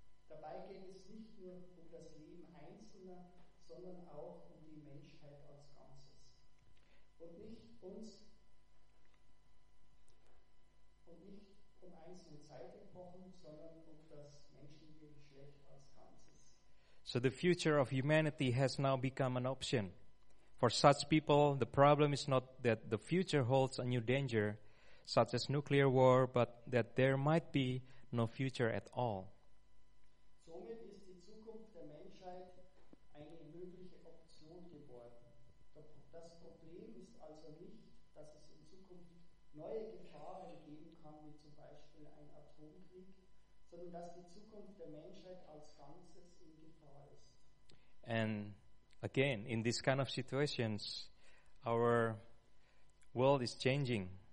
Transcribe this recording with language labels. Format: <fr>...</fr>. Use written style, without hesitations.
<de>Dabei geht es nicht nur um das Leben Einzelner, sondern auch um die Menschheit als Ganzes. Und nicht um einzelne Zeitepochen, sondern um das menschliche Geschlecht als Ganzes.</de> <en>So the future of humanity has now become an option. For such people, the problem is not that the future holds a new danger, such as nuclear war, but that there might be no future at all.</en> <de>Somit ist die Zukunft der Menschheit eine mögliche Option geworden. Das Problem ist also nicht, dass es in Zukunft neue Gefahren geben kann, wie zum Beispiel ein Atomkrieg, sondern dass die Zukunft der Menschheit als Ganzes in Gefahr ist.</de> <en>And again, in this kind of situations, our world is changing.</en>